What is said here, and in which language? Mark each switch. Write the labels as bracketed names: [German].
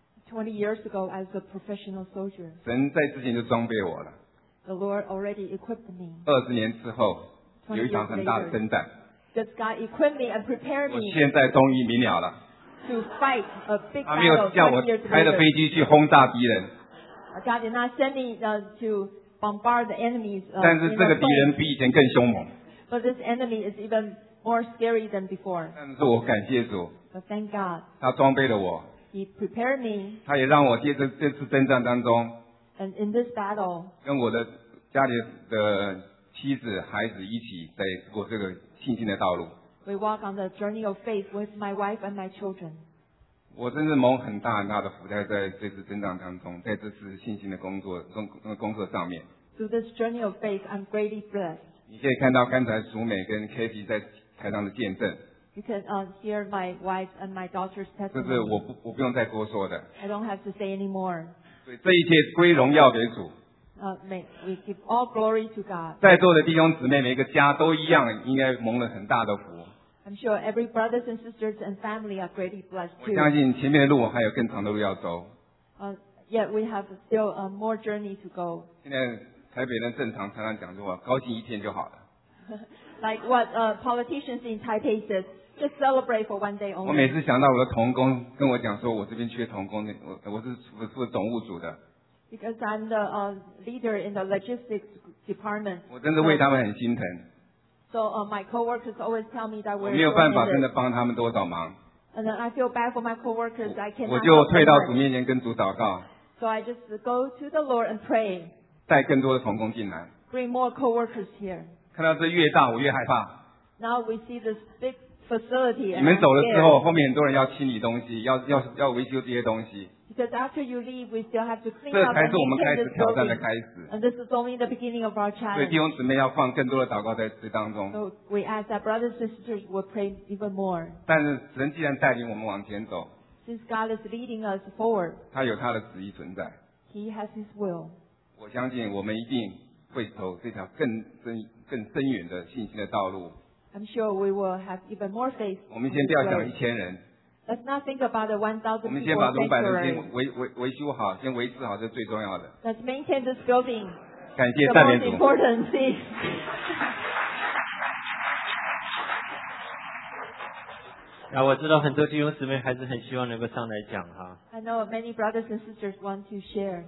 [English] 20 years ago, I was a professional soldier. [Chinese] 神在之前就装备我了。 [English] The Lord already equipped me. [Chinese] 20年之后，有一场很大的征战。 [English] Does God equip me and prepare me? [Chinese] 我现在终于明了了。 [English] To fight a big battle. [Chinese] 他没有叫我开着飞机去轰炸敌人。 [English] God did not send me to bombard the enemies. [Chinese] 但是这个敌人比以前更凶猛。 [English] But this enemy is even more scary than before. [Chinese] 但是我感谢主。 [English] But thank God. [Chinese] 他装备了我。 [English] He prepared me. [Chinese] 他也让我借着这次征战当中。 [English] And in this battle. [Chinese] 跟我的家里的妻子、孩子一起在过这个信心的道路。 [English] We walk on the journey of faith with my wife and my children. [Chinese] 我真是蒙很大很大的福，在这次增长当中，在这次信心的工作上面。 [English] Through this journey of faith, I'm greatly blessed. [Chinese] 你可以看到刚才淑美跟 Kathy 在台上的见证。 [English] You can hear my wife and my daughter's testimony. [Chinese] 这是我不用再多说的。 [English] I don't have to say anymore. [Chinese] 所以这一切归荣耀给主。 [English] We give all glory to God. [Chinese] 在座的弟兄姊妹，每个家都一样，应该蒙了很大的福。 [English] I'm sure every brothers and sisters and family are greatly blessed too. [Chinese] 我相信前面的路还有更长的路要走。 [English] Yet we have still more journey to go. [Chinese] 现在台北人正常常常讲说，高兴一天就好了。 [English] Like what politicians in Taipei says, just celebrate for one day only. [Chinese] 我每次想到我的同工跟我讲说，我这边缺同工，我是负总务组的。 [English] Because I'm the leader in the logistics department. [Chinese] 我真的为他们很心疼。 [English] So my coworkers always tell me that we're. [Chinese] 我没有办法真的帮他们多少忙。 [English] And then I feel bad for my coworkers. I cannot. [Chinese] 我就退到主面前跟主祷告。 [English] So I just go to the Lord and pray. [Chinese] 带更多的同工进来。 [English] Bring more coworkers here. [Chinese] 看到这越大，我越害怕。 [English] Now we see this big facility. [Chinese] 你们走了之后，后面很多人要清理东西，要维修这些东西。 [English] Because after you leave, we still have to clean up. [Chinese] 这才是我们开始挑战的开始。 [English] And this is only the beginning of our challenge. [Chinese] 所以弟兄姊妹要放更多的祷告在这当中。 [English] So we ask that brothers and sisters will pray even more. [Chinese] 但是神既然带领我们往前走。 [English] Since God is leading us forward. [Chinese] 他有他的旨意存在。 [English] He has His will. [Chinese] 我相信我们一定会走这条更深远的信心的道路。 [English] I'm sure we will have even more faith. [Chinese] 我们先不要想一千人。 [English] Let's not think about the 1,000 people. [Chinese] 我们先把500人先维修好，先维持好，这是最重要的。 [English] Let's maintain this building. [Chinese] 感谢赞美主。 [English] The most important thing. [Chinese] 那我知道很多弟兄姊妹还是很希望能够上来讲哈。 [English] I know many brothers and sisters want to share.